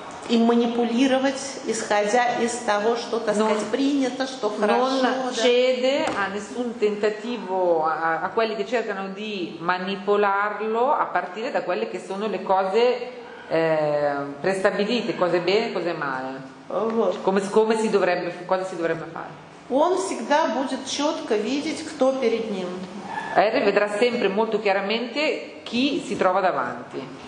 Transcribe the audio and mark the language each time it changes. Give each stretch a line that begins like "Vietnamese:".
Russian: и манипулировать, исходя из того, что, так сказать, принято, что хорошо.
Italian: Non a nessun tentativo a quelli che cercano di manipolarlo a partire da quelle che sono le cose prestabilite, cose bene, cose male. Come si dovrebbe, cosa si dovrebbe fare?
Russian: Он всегда будет четко видеть, кто перед ним.
Italian: Henry vedrà sempre molto chiaramente chi si trova davanti.